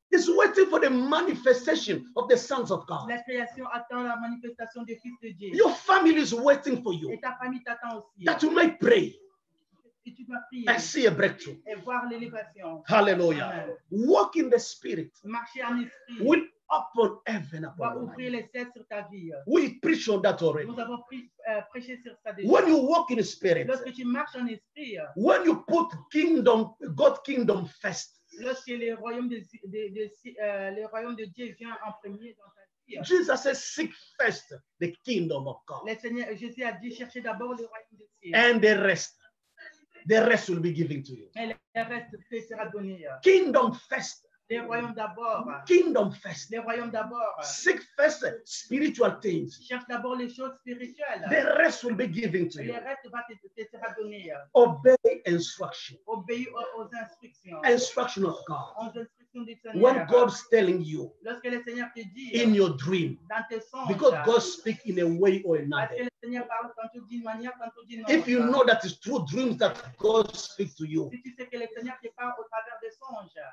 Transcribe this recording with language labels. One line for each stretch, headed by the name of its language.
English: It's waiting for the manifestation of the sons of God.
French: La création attend la manifestation des fils de Dieu.
English: Your family is waiting for you.
French: Et ta famille t'attend aussi.
English: That you might pray.
French: Et tu dois prier.
English: And see a breakthrough.
French: Et voir l'élévation.
English: Hallelujah. Amen. Walk in the Spirit.
French: Marcher en esprit.
English: Will open heaven upon
French: you. Va ouvrir les cieux sur ta vie.
English: We preach on that already.
French: Nous avons prêché sur ça déjà.
English: When you walk in the Spirit.
French: Lorsque tu marches en esprit.
English: When you put kingdom, God's kingdom first.
French: Lorsque le royaume de Dieu vient en premier dans ta vie.
English: Jesus said, seek first the kingdom of God.
French: Le Seigneur Jésus a dit, cherchez d'abord le royaume de Dieu.
English: And the rest will be given to you.
French: Mais le reste te sera donné.
English: Kingdom first.
French: Les royaumes d'abord.
English: Kingdom first.
French: Les royaumes d'abord.
English: Seek first spiritual things.
French: Cherche d'abord les choses spirituelles.
English: The rest will be given to you.
French: Le reste va te sera donné.
English: Obey instruction.
French: Obéis aux instructions.
English: Instruction of God.
French: Aux instructions du Seigneur.
English: When God's telling you.
French: Lorsque le Seigneur te dit.
English: In your dream.
French: Dans tes songes.
English: Because God speaks in a way or another.
French: Parce que le Seigneur parle quand tu dis manière quand tu dis non.
English: If you know that it's through dreams that God speaks to you.
French: Si tu sais que le Seigneur te parle au travers des songes.